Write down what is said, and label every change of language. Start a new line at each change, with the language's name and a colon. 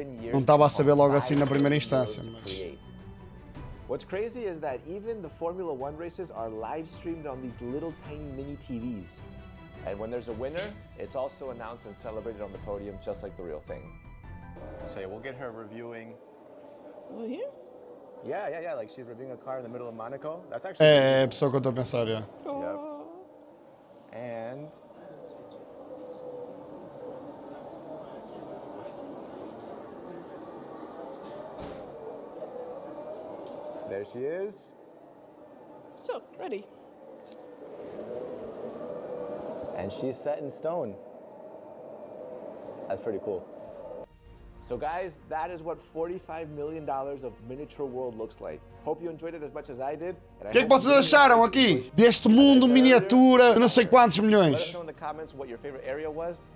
Portuguese: Não estava a saber logo assim na primeira instância, mas.
English: What's crazy is that even the Formula One races are live streamed on these little tiny mini TVs. And when there's a winner, it's also announced and celebrated on the podium, just like the real thing. So yeah, we'll get her reviewing. Over here? Yeah. Like she's reviewing a car in the middle of Monaco. That's actually.
Portuguese: É, a pessoa que eu tô pensando, yeah.
English: And. There she is. So, ready. And she's set in stone. That's pretty cool. So guys, that is what $45 million of miniature world looks like. Hope you enjoyed it as much as I did.
Portuguese: O que é que vocês acharam aqui? Deste mundo miniatura, de não sei quantos milhões.
English: Let us know in the comments what your favorite area was.